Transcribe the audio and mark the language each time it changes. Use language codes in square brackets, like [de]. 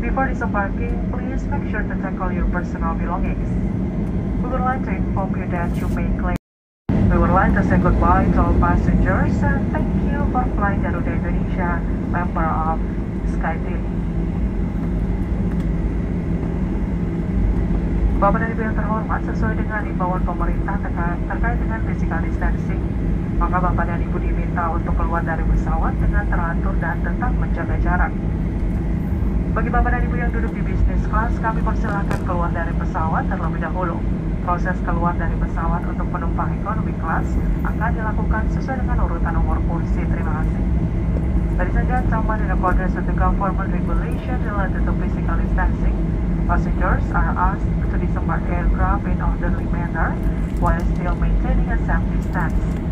[en] Before disembarking, please make sure to take all your personal belongings. We would like to inform you that you may claim. We would like to say goodbye to all passengers and thank you for flying Garuda Indonesia, member of SkyTeam. [id] Bapak dan Ibu yang terhormat, sesuai dengan imbauan pemerintah terkait dengan physical distancing, maka Bapak dan Ibu diminta untuk keluar dari pesawat dengan teratur dan tetap menjaga jarak. Bagi Bapak dan Ibu yang duduk di business class, kami persilakan keluar dari pesawat terlebih dahulu. Proses keluar dari pesawat untuk penumpang economy class akan dilakukan sesuai dengan urutan nomor kursi. Terima kasih. [en] Ladies and gentlemen, in accordance with the government regulation related to physical distancing, passengers are asked to disembark aircraft in orderly manner while still maintaining a safe distance.